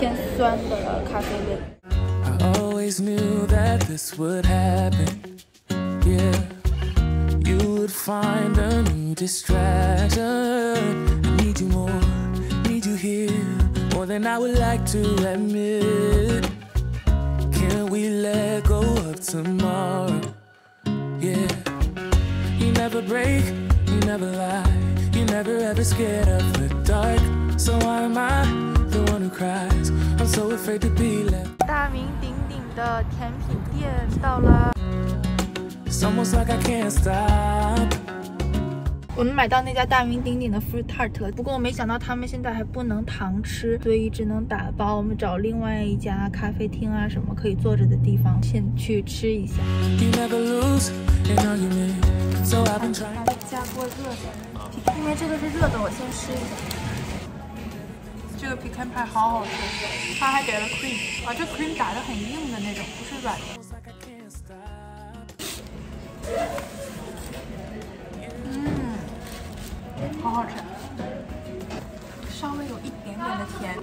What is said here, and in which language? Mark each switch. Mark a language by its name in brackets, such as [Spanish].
[Chinese] 我觉得味道有一点一般，我不是很喜欢这种偏酸的咖啡味。 [English] You would find a new distraction. I need you more, need you here, more than I would like to admit. Can we let go of tomorrow? Yeah. You never break, you never lie, you never ever scared of the dark. So why am I the one who cries? I'm so afraid to be left. [Chinese] 大名鼎鼎的甜品店到了。 [English] It's almost like I can't stop. [Chinese] 我们买到那家大名鼎鼎的 fruit tart， 不过我没想到他们现在还不能堂吃，所以只能打包。我们找另外一家咖啡厅啊，什么可以坐着的地方，先去吃一下。 [English] You never lose, you know you mean, so I've been trying. [Chinese] 加过热的，因为这个是热的，我先吃一下。这个 pecan pie 好好吃，他还给了 cream， 啊，这 cream 打得很硬的那种，不是软的。嗯，好好吃，稍微有一点点的甜。